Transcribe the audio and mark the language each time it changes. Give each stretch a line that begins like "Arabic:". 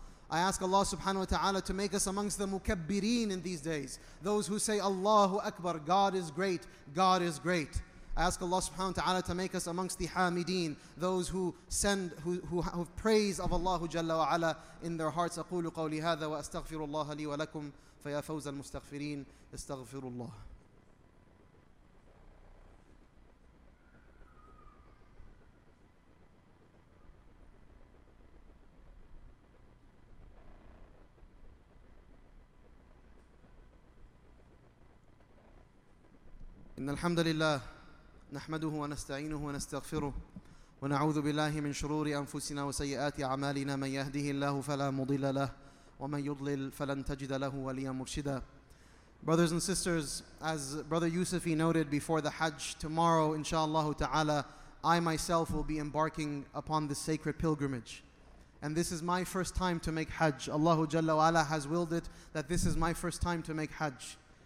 English: I ask Allah subhanahu wa ta'ala to make us amongst the mukabbireen in these days, those who say, Allahu Akbar, God is great, God is great. I ask Allah subhanahu wa ta'ala to make us amongst the hamideen, those who have praise of Allahu Jalla wa Ala in their hearts.
Arabic: أقول قولي هذا وأستغفر الله لي ولكم فيا فوز المستغفرين استغفر الله. إن الحمد لله نحمده ونستعينه ونستغفره ونعوذ بالله من شرور أنفسنا وسيئات أعمالنا من يهده الله فلا مضل له ومن يضلل فلن تجد له وليا مرشدا.
English: Brothers and sisters, as Brother Yusufi noted before the Hajj, tomorrow inshallah ta'ala, I myself will be embarking upon this sacred pilgrimage. And this is my first time to make Hajj. Allahu Jalla wa Ala has willed it that this is my first time to make Hajj.